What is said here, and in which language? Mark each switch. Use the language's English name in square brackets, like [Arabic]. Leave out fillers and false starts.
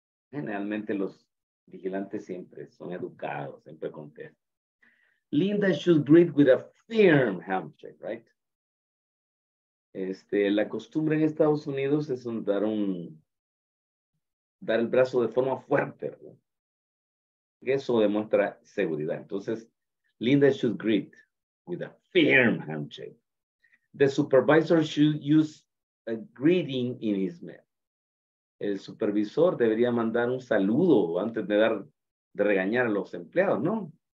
[Spanish] Generalmente los vigilantes siempre son educados, siempre contestan. [English] Linda should greet with a firm handshake, right? [Spanish] La costumbre en Estados Unidos es dar el brazo de forma fuerte, ¿verdad? Eso demuestra seguridad. Entonces, [English] Linda should greet with a firm handshake. The supervisor should use a greeting in his mail. [Spanish] El supervisor debería mandar un saludo antes de regañar a los empleados, ¿no?